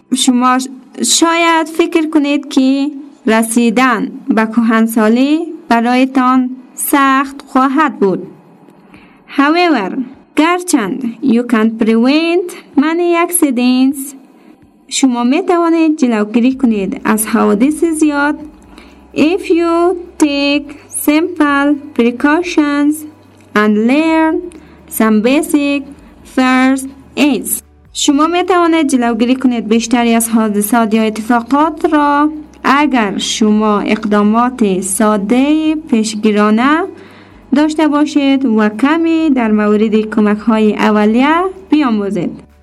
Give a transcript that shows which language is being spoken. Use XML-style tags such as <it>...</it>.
<fa>شما شاید فکر کنید که رسیدن به کهنسالی برایتان سخت خواهد بود.</fa> <en>However,</en> <fa>گرچند</fa> <en>you can prevent many accidents</en> <fa>شما می توانید جلوگیری کنید از حوادث زیاد.</fa> <en>If you take simple precautions and learn some basic first aids.</en> <fa>شما می توانید جلوگیری کنید بیشتری از حادثات یا اتفاقات را اگر شما اقدامات ساده پیشگیرانه داشته باشید و کمی در مورد کمک های اولیه بیاموزید.</fa>